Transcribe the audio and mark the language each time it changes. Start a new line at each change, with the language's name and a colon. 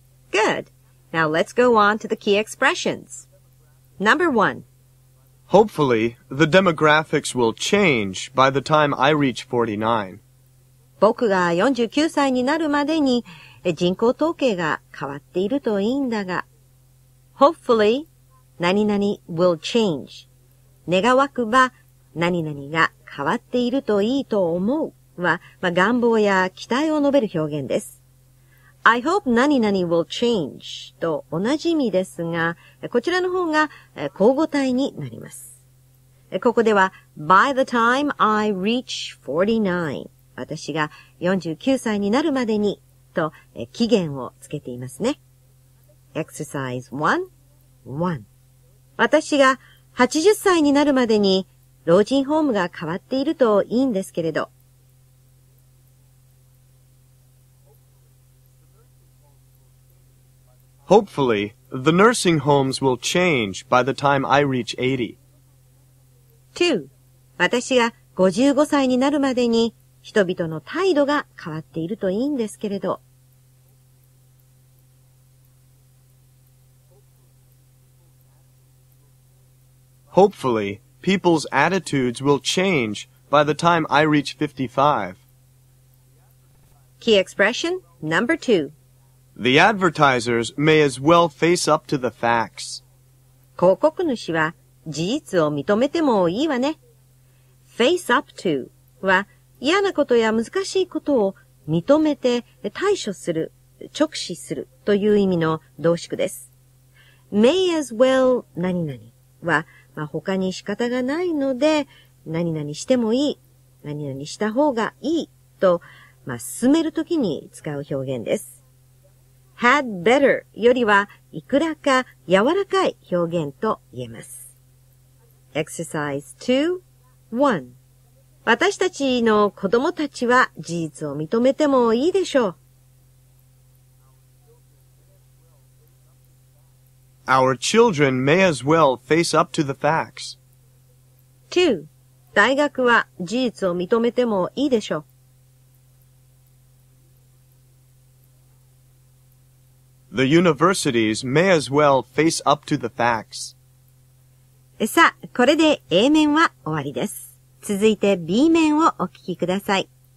English: Good. Now let's go on to the key expressions. Number one. Hopefully, the demographics will change by the time I reach 49.
Japanese: 僕が49歳になるまでに人口統計が変わっているといいんだが。
English: Hopefully, 何々 will change.
Japanese: 願わくば何々が変わっているといいと思うは、まあ、願望や期待を述べる表現です。
English: I hope 何々 will change
Japanese: と同じ意味ですが、こちらの方が交互体になります。ここでは、
English: by the time I reach 49,
Japanese: 私が49歳になるまでにと期限をつけていますね。
English: Exercise 1.1
Japanese: 私が80歳になるまでに老人ホームが変わっているといいんですけれど、
English: Hopefully, the nursing homes will change by the time I reach 80. 2.
Japanese: 私が55歳になるまでに人々の態度が変わっているといいんですけれど。
English: Hopefully, people's attitudes will change by the time I reach 55. Key expression number 2. The advertisers may as well face up to the facts.
Japanese: 広告主は事実を認めてもいいわね。 face up to は嫌なことや難しいことを認めて対処する、直視するという意味の動詞です。 may as well 何々は、まあ、他に仕方がないので何々してもいい、何々した方がいいと、まあ、進めるときに使う表現です。 had better よりはいくらか柔らかい表現と言えます。
English: exercise 2.1
Japanese: 私たちの子供たちは事実を認めてもいいでしょう。
English: Our children may as well face up to the facts.
Japanese: 2. 大学は事実を認めてもいいでしょう。
English: The universities may as well face up to the facts.
Japanese: さあ、これで A 面は終わりです。続いて B 面をお聞きください。